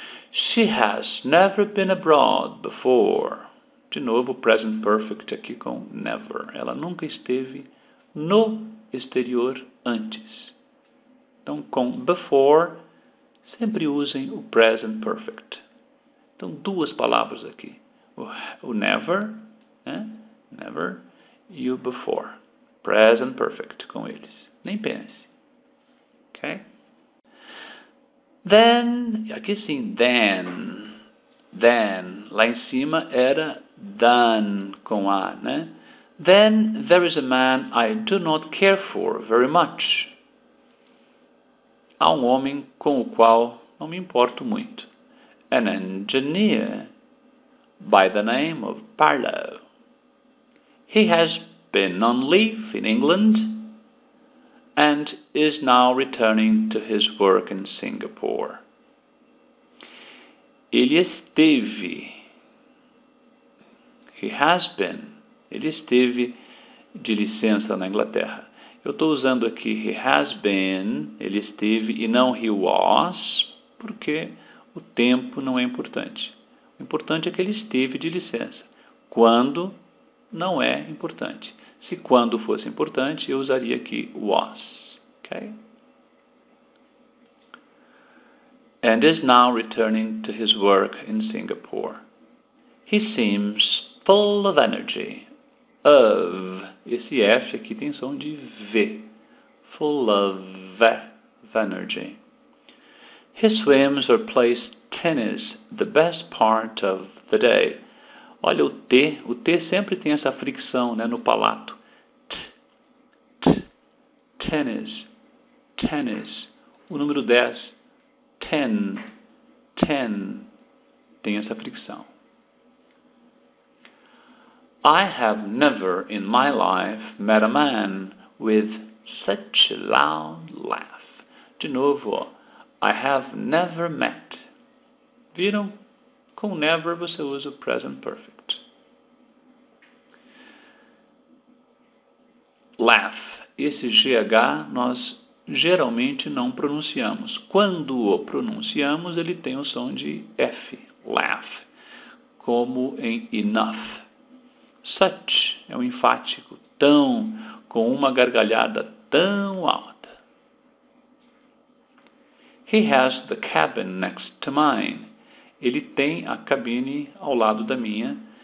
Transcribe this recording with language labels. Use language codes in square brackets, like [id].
[en] She has never been abroad before. [pt] De novo, present perfect aqui com never. Ela nunca esteve no exterior antes. Então, com before, sempre usem o present perfect. Então, duas palavras aqui. O never, né? Never, e o before. Present perfect com eles. Nem pense. Ok? Then, aqui sim, then, lá em cima era done com a, né? [en] Then there is a man I do not care for very much. [pt] Há um homem com o qual não me importo muito. [en] An engineer by the name of Parlow. He has been on leave in England and is now returning to his work in Singapore. [pt] Ele esteve. [en] He has been. [pt] Ele esteve de licença na Inglaterra. Eu estou usando aqui [en] he has been, [pt] ele esteve, e não [en] he was, [pt] porque o tempo não é importante. O importante é que ele esteve de licença. Quando não é importante. Se quando fosse importante, eu usaria aqui was. Ok? [en] And is now returning to his work in Singapore. He seems full of energy. Of. [pt] Esse F aqui tem som de V. [en] Full of energy. He swims or plays tennis the best part of the day. [pt] Olha o T. O T sempre tem essa fricção, né, no palato. Tennis. Tennis. O número 10. Ten. Ten. Tem essa fricção. [en] I have never in my life met a man with such a loud laugh. [pt] De novo, ó, [en] I have never met. [pt] Viram? Com never você usa o present perfect. Laugh. Esse GH nós geralmente não pronunciamos. Quando o pronunciamos, ele tem o som de F. Laugh. Como em enough. Such é um enfático, tão, com uma gargalhada tão alta. [en] He has the cabin next to mine. [pt] Ele tem a cabine ao lado da minha.